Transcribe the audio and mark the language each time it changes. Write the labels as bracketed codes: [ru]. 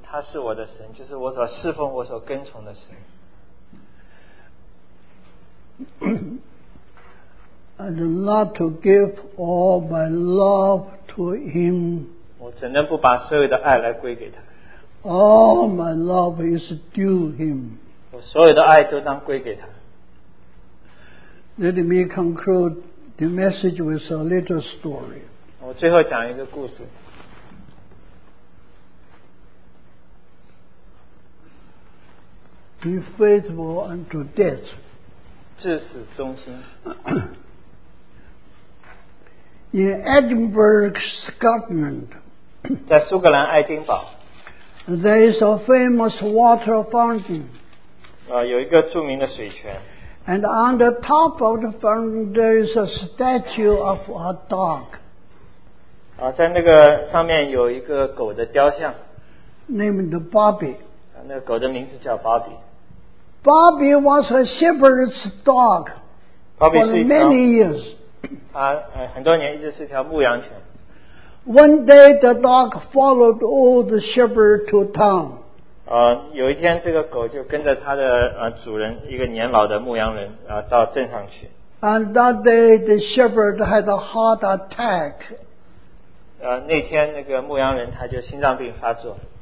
[zh] 他是我的神, 就是我所侍奉, 我所跟从的神。 [en] And not to give all my love to him. [zh] 我怎能不把所有的爱来归给他? [en] All my love is due him. [zh] 我所有的爱都当归给他。 [en] Let me conclude the message with a little story. [zh] 我最后讲一个故事。 [en] Be faithful unto death. [zh] 至死忠心。 [en] In Edinburgh, Scotland, [zh] 在苏格兰爱丁堡, [en] there is a famous water fountain. [zh] 有一个著名的水泉。 [en] And on the top of the fountain, there is a statue of a dog. [zh] 在那个上面有一个狗的雕像。 [en] Named Bobby. [zh] 那个狗的名字叫Bobby。 [en] Bobby was a shepherd's dog for many years. [zh] 他很多年一直是条牧羊犬。 [en] One day the dog followed all the shepherd to town. [zh] 有一天这个狗就跟着他的主人，一个年老的牧羊人到镇上去。 [en] And that day the shepherd had a heart attack. [zh] 那天那个牧羊人他就心脏病发作。